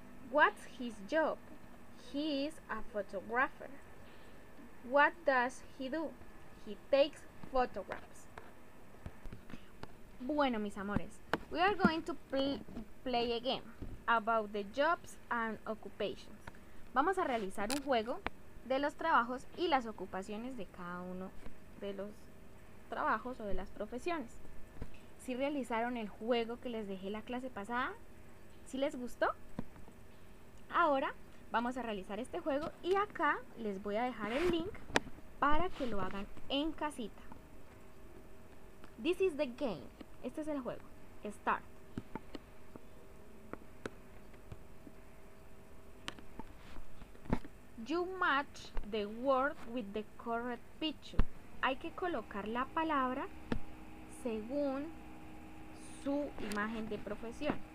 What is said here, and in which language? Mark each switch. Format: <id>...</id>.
<en>What's his job? He is a photographer. What does he do? He takes photographs.</en> <es>Bueno, mis amores,</es> <en>we are going to play a game about the jobs and occupations.</en> <es>Vamos a realizar un juego de los trabajos y las ocupaciones de cada uno de los trabajos o de las profesiones. ¿Sí realizaron el juego que les dejé la clase pasada? ¿Sí les gustó? Ahora vamos a realizar este juego y acá les voy a dejar el link para que lo hagan en casita.</es> <en>This is the game.</en> <es>Este es el juego.</es> <en>Start. You match the word with the correct picture.</en> <es>Hay que colocar la palabra según su imagen de profesión.</es>